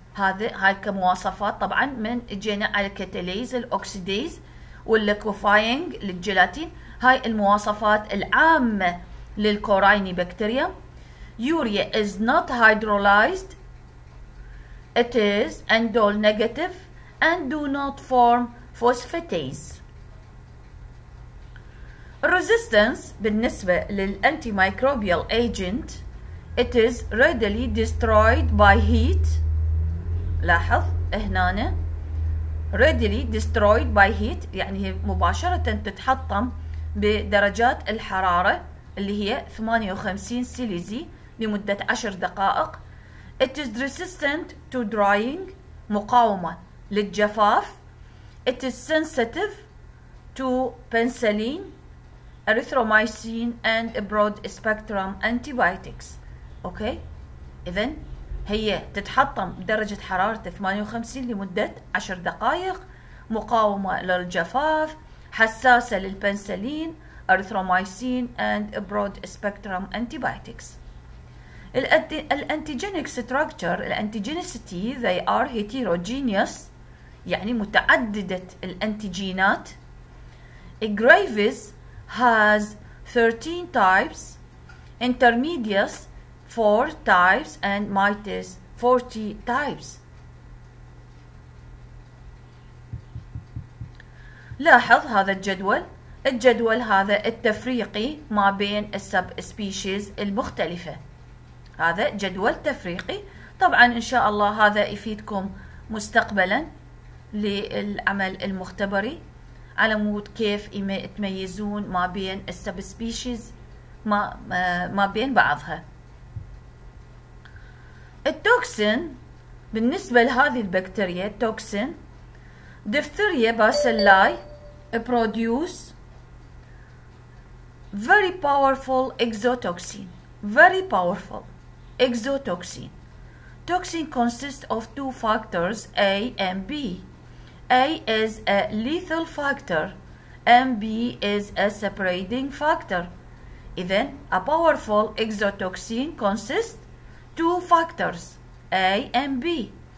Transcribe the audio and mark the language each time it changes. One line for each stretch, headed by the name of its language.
Arabic: هاي كمواصفات طبعا من جينا على الكاتاليز الاوكسيديز والليكوفاينج للجيلاتين. هاي المواصفات العامه للكوريني بكتيريا.
English: Urea is not hydrolyzed, it is indole negative and do not form phosphatase. Resistance
Arabic: بالنسبه للانتي مايكروبيال ايجنت,
English: it is readily destroyed by heat.
Arabic: لاحظ هنا
English: readily destroyed by heat,
Arabic: يعني هي مباشرة تتحطم بدرجات الحرارة اللي هي 58 سيليزي لمدة 10 دقائق.
English: It is resistant to drying,
Arabic: مقاومة للجفاف.
English: It is sensitive to penicillin, erythromycin and broad spectrum antibiotics.
Arabic: Okay, إذن هي تتحطم بدرجة حرارة 58 لمدة 10 دقائق, مقاومة للجفاف, حساسة للبنسلين, أريثروميسين
English: and broad spectrum antibiotics.
Arabic: الانتيجينيك ستراكتر, الانتيجينيسيتي,
English: they are heterogeneous,
Arabic: يعني متعددة الانتيجينات.
English: Graves has 13 types, intermediates 4 types and mites 40 types.
Arabic: لاحظ هذا الجدول, الجدول هذا التفريقي ما بين السب سبيشيز المختلفة. هذا جدول تفريقي, طبعا إن شاء الله هذا يفيدكم مستقبلا للعمل المختبري على مود كيف تميزون ما بين السب سبيشيز ما بين بعضها. التوكسين بالنسبة لهذه البكتيريا, التوكسين ديفثيريا باسيلاي
English: produce very powerful exotoxin,
Arabic: very powerful exotoxin.
English: Toxin consists of two factors A and B. A is a lethal factor and B is a separating factor. Even a powerful exotoxin consists two factors, A and B.